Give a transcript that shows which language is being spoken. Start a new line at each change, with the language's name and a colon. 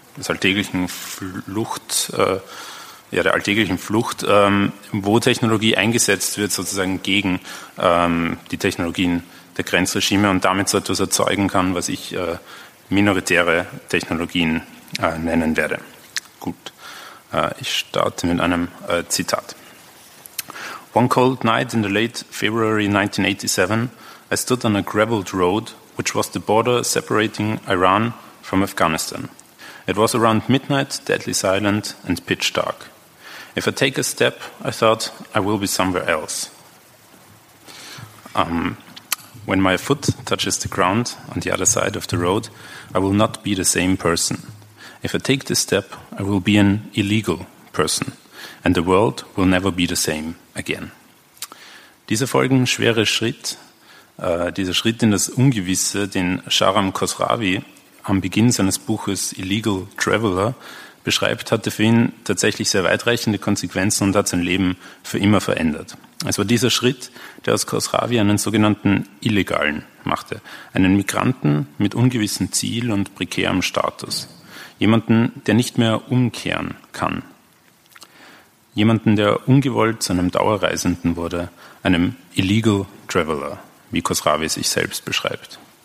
German: alltäglichen Flucht, ja, der alltäglichen Flucht, wo Technologie eingesetzt wird, sozusagen gegen die Technologien der Grenzregime und damit so etwas erzeugen kann, was ich minoritäre Technologien nennen werde. Gut, ich starte mit einem Zitat.
English: One cold night in the late February 1987, I stood on a graveled road, which was the border separating Iran from Afghanistan. It was around midnight, deadly silent and pitch dark. If I take a step, I thought I will be somewhere else. When my foot touches the ground on the other side of the road, I will not be the same person. If I take this step, I will be an illegal person, and the world will never be the same again.
German: Dieser folgende schwere Schritt, dieser Schritt in das Ungewisse, den Shahram Khosravi am Beginn seines Buches Illegal Traveler beschreibt, hatte für ihn tatsächlich sehr weitreichende Konsequenzen und hat sein Leben für immer verändert. Es war dieser Schritt, der aus Khosravi einen sogenannten Illegalen machte, einen Migranten mit ungewissem Ziel und prekärem Status, jemanden, der nicht mehr umkehren kann, jemanden, der ungewollt zu einem Dauerreisenden wurde, einem Illegal Traveler, wie Khosravi sich selbst beschreibt.